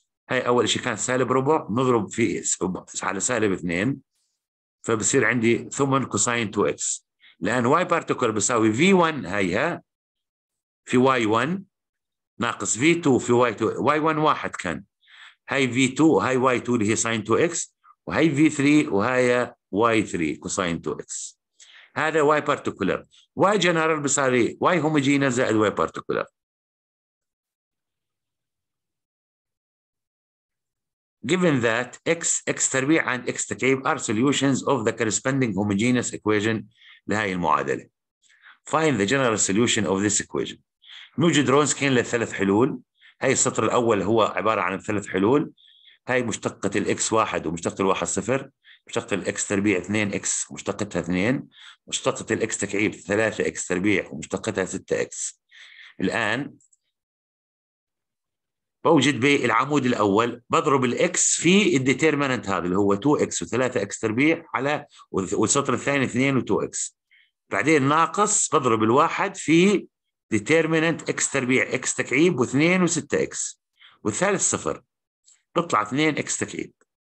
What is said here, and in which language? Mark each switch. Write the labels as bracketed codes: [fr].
[ar] هاي اول شيء كان سالب ربع نضرب في على سالب 2 فبصير عندي ثمن كوساين 2x، لان y بارتيكول بيساوي v1 هيها في y1 ناقص v2 في y2، y1 واحد كان هاي في 2 هاي واي 2 اللي هي ساين 2 اكس، وهاي في 3 وهاي واي 3 كوساين 2 اكس. هذا واي بارتيكولر، واي جنرال بصير واي هوموجينا زائد واي بارتيكولر. [en] Given that x x تربيع and x تكعيب are solutions of the corresponding homogeneous equation [ar] لهذه المعادلة. [en] Find the general solution of this equation. [ar] نوجد رونسكين للثلاث حلول. هاي السطر الأول هو عبارة عن الثلاث حلول. هاي مشتقة ال x واحد ومشتقة ال واحد صفر. مشتقة ال x تربيع 2 x مشتقتها 2. مشتقة ال x تكعيب 3 x تربيع ومشتقتها 6 x. الآن بوجد بالعمود الاول بضرب الاكس في الديترمننت هذا اللي هو 2x و3 اكس تربيع على والسطر الثاني 2 و2 اكس، بعدين ناقص بضرب الواحد في ديترمننت اكس تربيع اكس تكعيب و2 و6 اكس، والثالث صفر بطلع 2 اكس تكعيب.